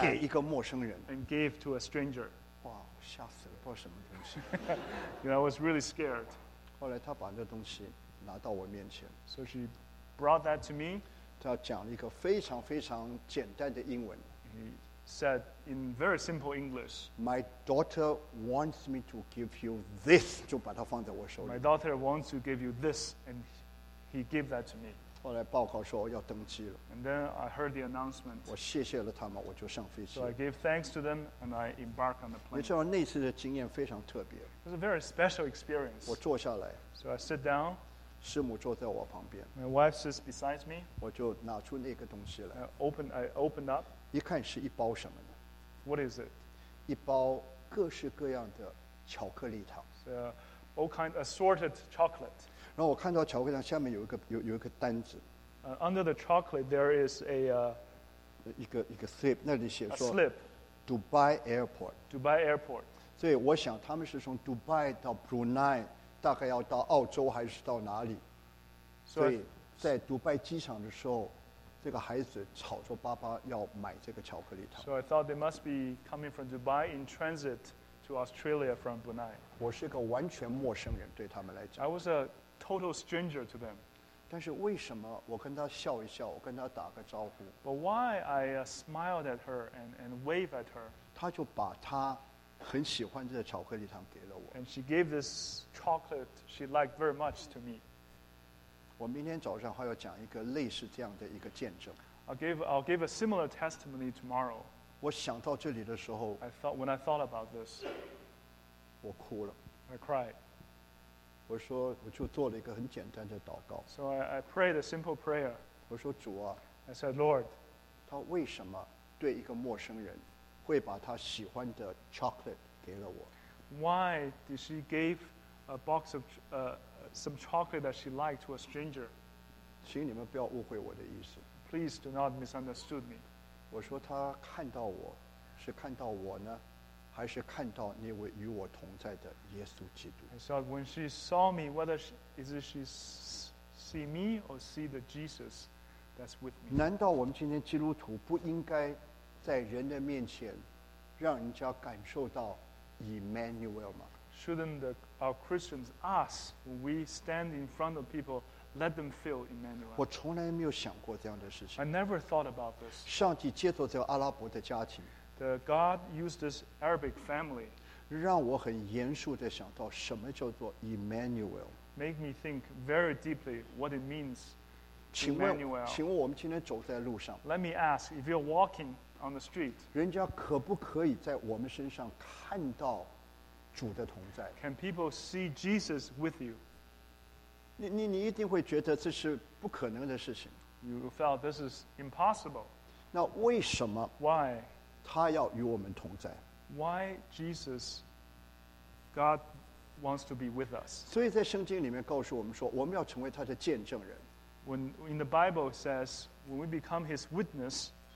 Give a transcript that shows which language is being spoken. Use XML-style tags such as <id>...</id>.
<zh>给一个陌生人</zh> <en>and gave to a stranger.</en> <zh>吓死了，不知道什么东西。</zh> <en>You know, I was really scared.</en> <zh>后来他把那东西拿到我面前。</zh> <en>So she brought that to me.</en> <zh>他讲了一个非常非常简单的英文。</zh> <en>He said in very simple English. My daughter wants me to give you this.</en> <zh>就把它放在我手里。</zh> <en>My daughter wants to give you this, and he gave that to me.</en> <zh>后来报告说要登机了。</zh> <en>And then I heard the announcement.</en> <zh>我谢谢了他们，我就上飞机。</zh> <en>So I gave thanks to them and I embarked on the plane.</en> <zh>你知道那次的经验非常特别。</zh> <en>It was a very special experience.</en> <zh>我坐下来。</zh> <en>So I sit down.</en> <zh>师母坐在我旁边。</zh> <en>My wife sits beside me.</en> <zh>我就拿出那个东西来。</zh> <en>I opened up.</en> <zh>一看是一包什么呢</zh> <en>？What is it?</en> <zh>一包各式各样的巧克力糖。</zh> <en>So, all kind assorted chocolate.</en> <zh>然后我看到巧克力上下面有一个单子。</zh> <en>Under the chocolate, there is a</en> <zh>一个 slip， 那里写说</zh> <en>a slip， Dubai Airport。 Dubai Airport。</en> <zh>所以我想他们是从 Dubai 到 Brunei， 大概要到澳洲还是到哪里？</zh> <en>So、</en> <zh>所以在 Dubai 机场的时候，这个孩子吵着爸爸要买这个巧克力糖。</zh> <en>So I thought they must be coming from Dubai in transit to Australia from Brunei。</en> <zh>我是个完全陌生人，对他们来讲。</zh> <en>I was a total stranger to them。</en> <zh>但是为什么我跟他笑一笑，我跟他打个招呼</zh> <en>？But why I smiled at her and waved at her？</en> <zh>他就把他很喜欢的巧克力糖给了我。</zh> <en>And she gave this chocolate she liked very much to me。</en> <zh>我明天早上还要讲一个类似这样的一个见证。</zh> <en>I'll give a similar testimony tomorrow。</en> <zh>我想到这里的时候</zh> <en>，When I thought about this，</en> <zh>我哭了。</zh> <en>I cried。</en> <zh>我说，我就做了一个很简单的祷告。</zh> <en>So I prayed a simple prayer.</en> <zh>我说主啊。</zh> <en>I said Lord.</en> <zh>他为什么对一个陌生人会把他喜欢的 chocolate 给了我</zh> <en>？Why did she give a box of some chocolate that she liked to a stranger？</en> <zh>请你们不要误会我的意思。</zh> <en>Please do not misunderstand me.</en> <zh>我说他看到我，是看到我呢？还是看到那位与我同在的耶稣基督。</zh> <en>I said, when she saw me, whether she see me or see the Jesus that's with me.</en> <zh>难道我们今天基督徒不应该在人的面前让人家感受到 Emmanuel 吗</zh> <en>？Shouldn't the, our Christians us when we stand in front of people let them feel Emmanuel?</en> <zh>我从来没有想过这样的事情。</zh> <en>I never thought about this.</en> <zh>上帝借着这个阿拉伯的家庭。</zh> <en>God used this Arabic family.</en> <zh>让我很严肃地想到什么叫做 Emmanuel.</zh> <en>Make me think very deeply what it means. Emmanuel.</en> <zh>请问我们今天走在路上。</zh> <en>Let me ask if you're walking on the street.</en> <zh>人家可不可以在我们身上看到主的同在</zh> <en>？Can people see Jesus with you?</en> <zh>你一定会觉得这是不可能的事情。</zh> <en>You felt this is impossible.</en> <zh>那为什么</zh> <en>？Why?</en> <zh>他要与我们同在。</zh> <en>Why Jesus, God wants to be with us.</en> <zh>所以在圣经里面告诉我们说，我们要成为他的见证人。</zh> <en>When in the Bible says, when we become His witness,</en>